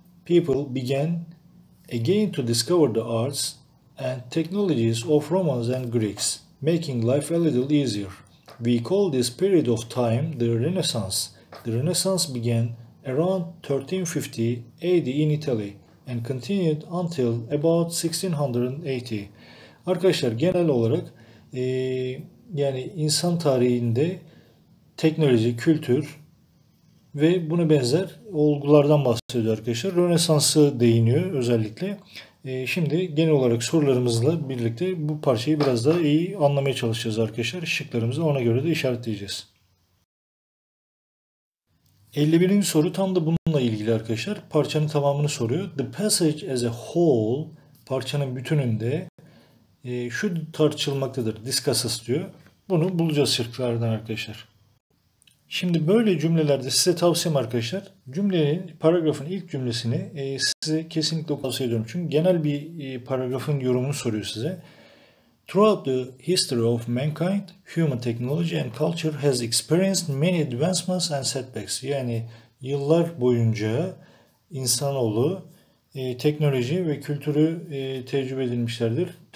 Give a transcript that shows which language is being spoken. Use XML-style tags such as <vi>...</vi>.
<en>People began again to discover the arts and technologies of Romans and Greeks, making life a little easier. We call this period of time the Renaissance. The Renaissance began around 1350 AD in Italy and continued until about 1680.</en> <tr>Arkadaşlar genel olarak yani insan tarihinde teknoloji, kültür ve buna benzer olgulardan bahsediyor arkadaşlar. Rönesans'ı değiniyor özellikle. Şimdi genel olarak sorularımızla birlikte bu parçayı biraz daha iyi anlamaya çalışacağız arkadaşlar. Şıklarımızı ona göre de işaretleyeceğiz. 51. soru tam da bununla ilgili arkadaşlar. Parçanın tamamını soruyor.</tr> <en>The passage as a whole,</en> <tr>parçanın bütününde şu tartışılmaktadır.</tr> <en>Discusses</en> <tr>diyor. Bunu bulacağız şıklardan arkadaşlar. Şimdi böyle cümlelerde size tavsiyem arkadaşlar. Cümlenin, paragrafın ilk cümlesini size kesinlikle tavsiye ediyorum. Çünkü genel bir paragrafın yorumunu soruyor size.</tr> <en>Throughout the history of mankind, human technology and culture has experienced many advancements and setbacks.</en> <tr>Yani yıllar boyunca insanoğlu teknoloji ve kültürü tecrübe edilmişlerdir.</tr>